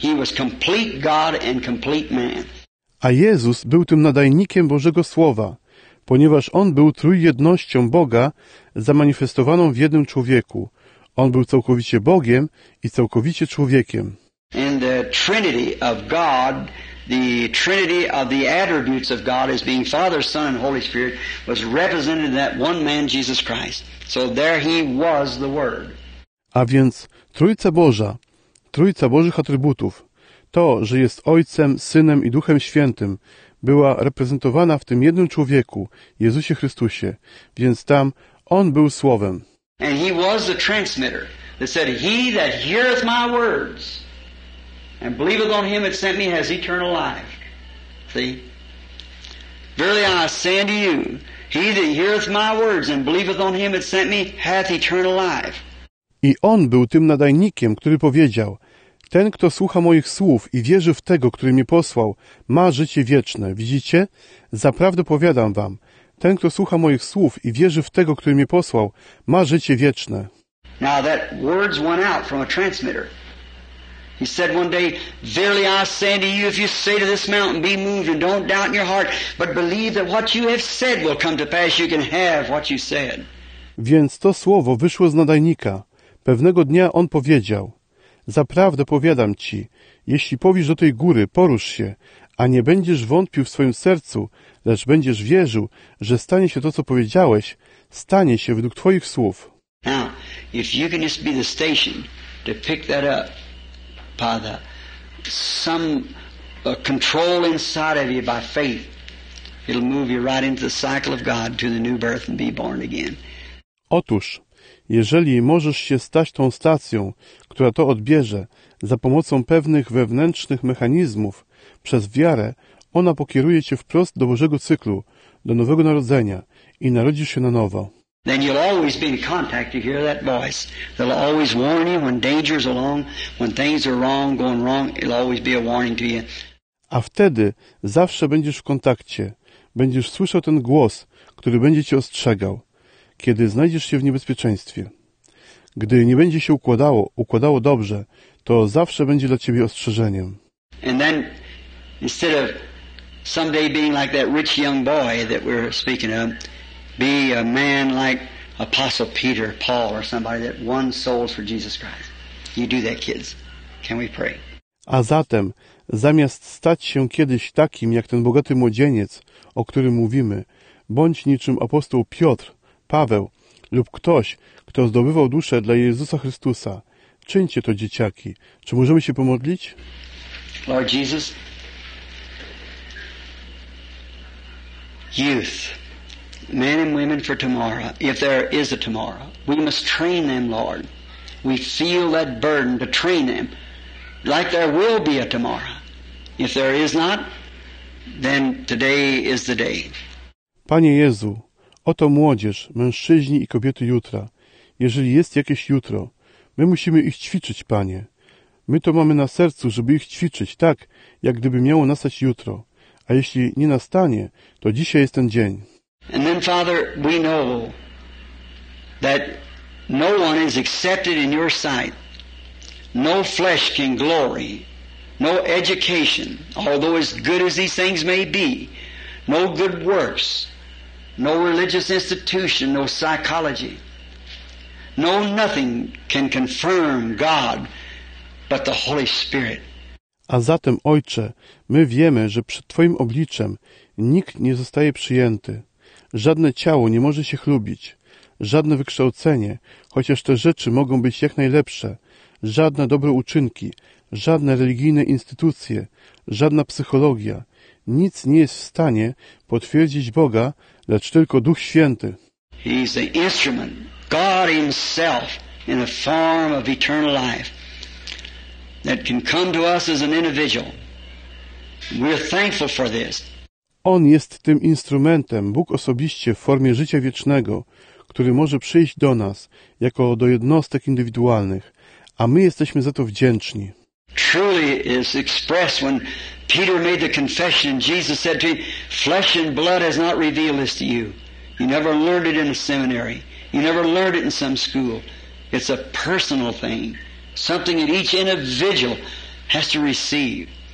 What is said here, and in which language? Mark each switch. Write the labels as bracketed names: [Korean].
[English] He was complete God and complete man. [Polish] A Jezus był tym nadajnikiem Bożego Słowa, ponieważ on był trójjednością Boga zamanifestowaną w jednym człowieku. On był całkowicie Bogiem i całkowicie człowiekiem. [English] And the Trinity of God, the Trinity of the attributes of God as being Father, Son, and Holy Spirit was represented in that one man, Jesus Christ. So there he was, the Word. [Polish] A więc Trójca Boża, Trójca Bożych atrybutów, to, że jest Ojcem, Synem i Duchem Świętym, była reprezentowana w tym jednym człowieku, Jezusie Chrystusie. Więc tam On był Słowem. [English] And he was the transmitter that said, he that heareth my words and believeth on him that sent me has eternal life. See? Verily I say unto you, he that heareth my words and believeth on him that sent me hath eternal life. [Polish] I on był tym nadajnikiem, który powiedział, ten, kto słucha moich słów i wierzy w tego, który mnie posłał, ma życie wieczne. Widzicie? Zaprawdę powiadam wam, ten, kto słucha moich słów i wierzy w tego, który mnie posłał, ma życie wieczne. [English] Now that words went out from a transmitter. He said one day, "Verily I say unto you, if you say to this mountain, be moved, and don't doubt in your heart, but believe that what you have said will come to pass, you can have what you said." [Polish] Więc to słowo wyszło z nadajnika. Pewnego dnia on powiedział: "Zaprawdę powiadam ci, jeśli powiesz do tej góry, porusz się, a nie będziesz wątpił w swoim sercu, lecz będziesz wierzył, że stanie się to, co powiedziałeś, stanie się według twoich słów." [English] Now, if you can just be the station to pick that up, Father, some control inside of you by faith, it'll move you right into the cycle of God, to the new birth and be born again. [Polish] Otóż, jeżeli możesz się stać tą stacją, która to odbierze, za pomocą pewnych wewnętrznych mechanizmów, przez wiarę, ona pokieruje cię wprost do Bożego cyklu, do nowego narodzenia i narodzisz się na nowo. [English] Then you'll always be in contact to hear that voice. They'll always warn you when danger's along, when things are wrong, going wrong, it'll always be a warning to you. [Polish] A wtedy zawsze będziesz w kontakcie. Będziesz słyszał ten głos, który będzie cię ostrzegał, kiedy znajdziesz się w niebezpieczeństwie. Gdy nie będzie się układało dobrze, to zawsze będzie dla ciebie ostrzeżeniem. [English] And then, instead of someday being like that rich young boy that we're speaking of, be a man like Apostle Peter, Paul, or somebody that won souls for Jesus Christ. You do that, kids. Can we pray? [Polish] A zatem, zamiast stać się kiedyś takim jak ten bogaty młodzieniec, o którym mówimy, bądź niczym apostoł Piotr, Paweł lub ktoś, kto zdobywał duszę dla Jezusa Chrystusa. Czyńcie to, dzieciaki. Czy możemy się pomodlić? [English] Lord Jesus, youth, men and women for tomorrow, if there is a tomorrow, we must train them, Lord. We feel that burden to train them, like there will be a tomorrow. If there is not, then today is the day. [Polish] Panie Jezu, oto młodzież, mężczyźni i kobiety jutra. Jeżeli jest jakieś jutro, my musimy ich ćwiczyć, Panie. My to mamy na sercu, żeby ich ćwiczyć, tak, jak gdyby miało nastać jutro. A jeśli nie nastanie, to dzisiaj jest ten dzień. [English] And then, Father, we know that no one is accepted in your sight. No flesh can glory. No education, although as good as these things may be, no good works, no religious institution, no psychology, no nothing can confirm God but the Holy Spirit. [Polish] A zatem, Ojcze, my wiemy, że przed Twoim obliczem nikt nie zostaje przyjęty. Żadne ciało nie może się chlubić, żadne wykształcenie, chociaż te rzeczy mogą być jak najlepsze, żadne dobre uczynki, żadne religijne instytucje, żadna psychologia. Nic nie jest w stanie potwierdzić Boga, lecz tylko Duch Święty. [English] He's the instrument, God himself, in a form of eternal life, that can come to us as an individual. We're thankful for this. [Polish] On jest tym instrumentem, Bóg osobiście w formie życia wiecznego, który może przyjść do nas jako do jednostek indywidualnych, a my jesteśmy za to wdzięczni. [English] Truly is expressed when Peter made the confession, Jesus said to him, "Flesh and blood has not revealed this to you. You never learned it in a seminary. You never learned it in some school. It's a personal thing, something that each individual has to receive."